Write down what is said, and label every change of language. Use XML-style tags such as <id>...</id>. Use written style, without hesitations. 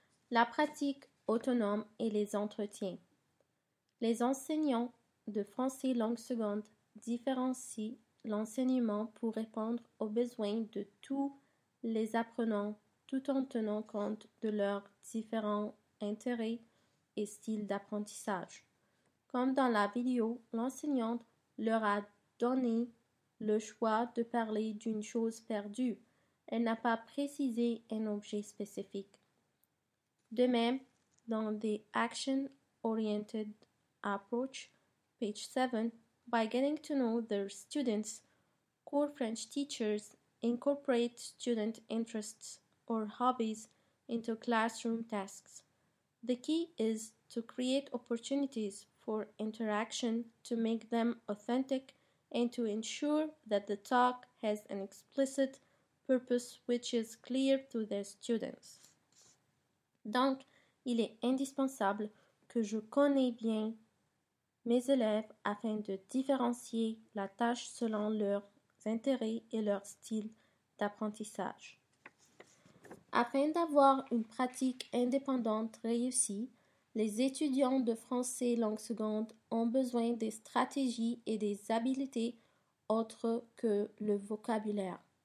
<fr>La pratique autonome et les entretiens. Les enseignants de français langue seconde différencient l'enseignement pour répondre aux besoins de tous les apprenants tout en tenant compte de leurs différents intérêts et styles d'apprentissage. Comme dans la vidéo, l'enseignante leur a donné le choix de parler d'une chose perdue. Elle n'a pas précisé un objet spécifique. De même, dans</fr> <en>The Action-Oriented Approach, page 7, by getting to know their students, core French teachers incorporate student interests or hobbies into classroom tasks. The key is to create opportunities for interaction to make them authentic and to ensure that the talk has an explicit purpose which is clear to their students.</en> <fr>Donc, il est indispensable que je connaisse bien mes élèves afin de différencier la tâche selon leurs intérêts et leur style d'apprentissage. Afin d'avoir une pratique indépendante réussie, les étudiants de français langue seconde ont besoin des stratégies et des habiletés autres que le vocabulaire.</fr>